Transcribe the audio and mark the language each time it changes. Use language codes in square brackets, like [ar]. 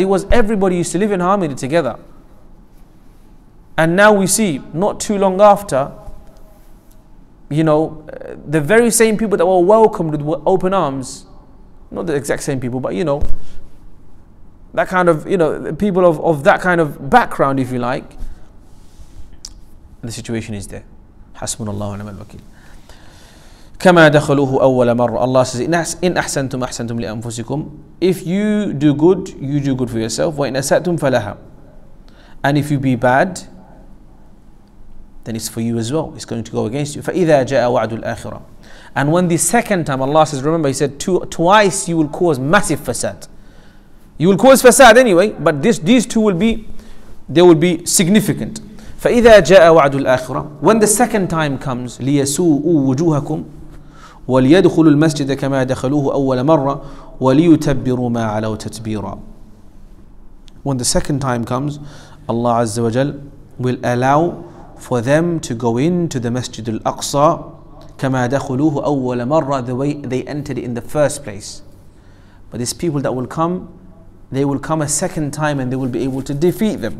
[en] It was everybody used to live in harmony together. And now we see not too long after, you know, the very same people that were welcomed with open arms, not the exact same people, but you know, that kind of, you know, people of that kind of background, if you like, the situation is there. [ar] Hasbunallahu wa ni'mal wakeel. كما دخلوه أول مرة. [en] Allah says, [ar] إن أحسنتم أحسنتم لأنفسكم. [en] If you do good, you do good for yourself. [ar] وإن أسأتم فلها. [en] And if you be bad, then it's for you as well. It's going to go against you. [ar] فإذا جاء وعد الآخرة. [en] And when the second time, Allah says, remember, He said, twice you will cause massive fasad. You will cause fasad anyway, but these two will be, they will be significant. [ar] فإذا جاء وعد الآخرة. [en] When the second time comes, [ar] ليسوءوا وجوهكم وليدخلوا المسجد كما دخلوه أول مرة وليتبروا ما علوا تتبيرا. [en] When the second time comes, Allah Azza wa Jal will allow for them to go into the Masjid al-Aqsa [ar] كما دخلوه أول مرة, [en] the way they entered it in the first place. But these people that will come, they will come a second time and they will be able to defeat them.